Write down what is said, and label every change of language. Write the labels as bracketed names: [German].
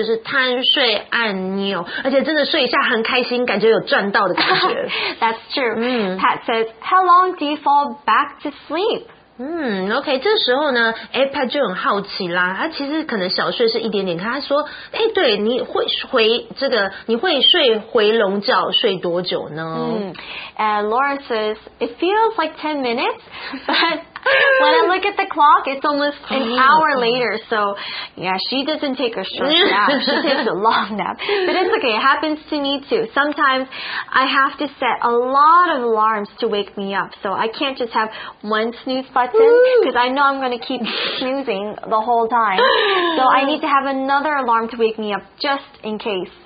[Chinese] 就是贪睡按钮，而且真的睡一下很开心，感觉有赚到的感觉。 [English] That's true. Pat says, how long do you fall back to sleep? [Chinese] OK, 这时候呢 ,Pat 就很好奇啦，他其实可能小睡是一点点，他说诶对，你会回这个，你会睡回笼觉睡多久呢？ [English] Laura says, it feels like 10 minutes, but when I look at the clock, it's almost an hour later, so yeah, she doesn't take a short nap, she takes a long nap, but it's okay, it happens to me too. Sometimes I have to set a lot of alarms to wake me up, so I can't just have one snooze button, because I know I'm going to keep snoozing the whole time, so I need to have another alarm to wake me up just in case.